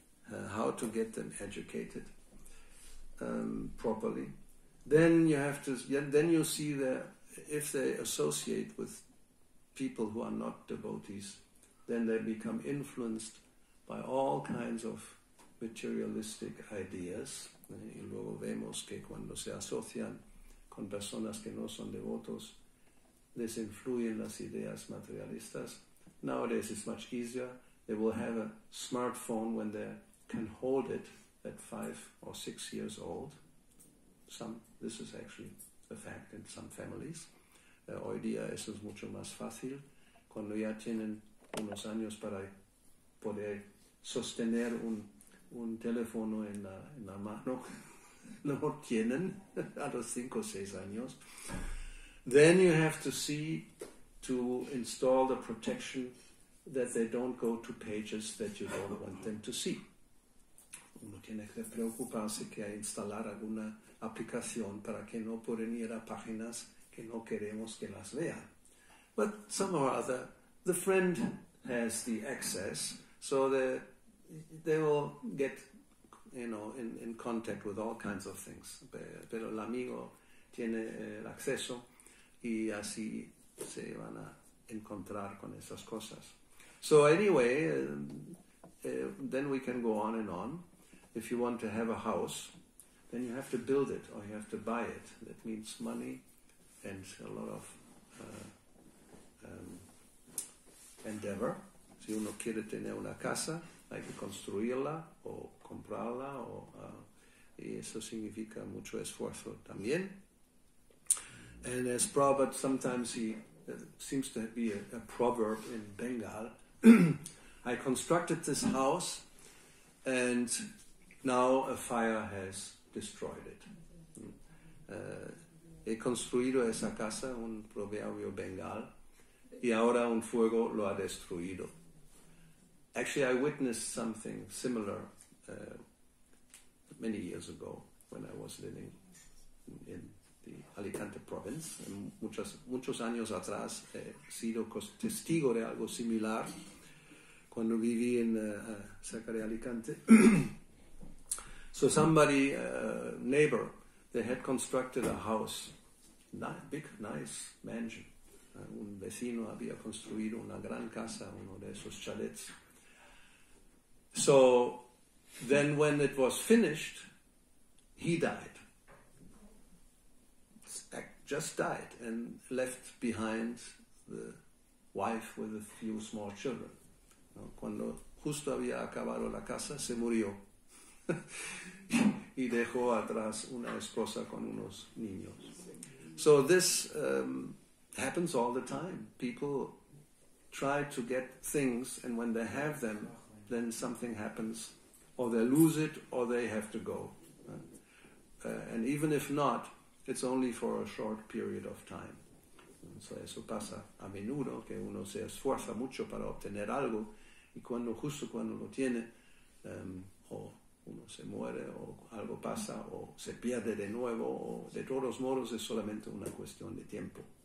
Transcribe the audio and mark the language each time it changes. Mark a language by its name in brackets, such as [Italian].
[English] How to get them educated properly. Then you have to, then you see that if they associate with people who are not devotees, then they become influenced by all kinds of materialistic ideas. [Spanish] Y luego vemos que cuando se asocian con personas que no son devotos, les influyen las ideas materialistas. [English] Nowadays it's much easier. They will have a smartphone when they're can hold it at 5 or 6 years old. This is actually a fact in some families. [Spanish] Hoy día eso es mucho más fácil cuando ya tienen unos años para poder sostener un teléfono en la mano. No tienen a los 5 o 6 años. [English] Then you have to see to install the protection that they don't go to pages that you don't want them to see. [Spanish] Uno tiene que preocuparse que hay instalar alguna aplicación para que no pueden ir a páginas que no queremos que las vean. [English] But somehow or other, the friend has the access, so they will get, you know, in contact with all kinds of things. [Spanish] Pero el amigo tiene el acceso y así se van a encontrar con esas cosas. [English] So anyway, then we can go on and on. If you want to have a house, then you have to build it or you have to buy it. That means money and a lot of endeavor. [Spanish] Si uno quiere tener una casa, hay que construirla o comprarla. Y eso significa mucho esfuerzo también. [English] And as Prabhupada, sometimes he seems to be a proverb in Bengal. I constructed this house and now a fire has destroyed it. [Spanish] He construido esa casa, un proverbio bengal, y ahora un fuego lo ha destruido. [English] Actually, I witnessed something similar many years ago when I was living in the Alicante province. [Spanish] Muchos años atrás he sido testigo de algo similar cuando viví en cerca de Alicante. [English] So somebody, a neighbor, they had constructed a house, big, nice mansion. [Spanish] Un vecino había construido una gran casa, uno de esos chalets. [English] So then when it was finished, he died. Just died and left behind the wife with a few small children. [Spanish] Cuando justo había acabado la casa, se murió. Y dejó atrás una esposa con unos niños. [English] So this happens all the time. People try to get things, and when they have them, then something happens, or they lose it, or they have to go. And even if not, it's only for a short period of time. [Spanish] So eso pasa a menudo, que uno se esfuerza mucho para obtener algo, y cuando justo cuando lo tiene, uno se muere o algo pasa o se pierde de nuevo o de todos modos es solamente una cuestión de tiempo.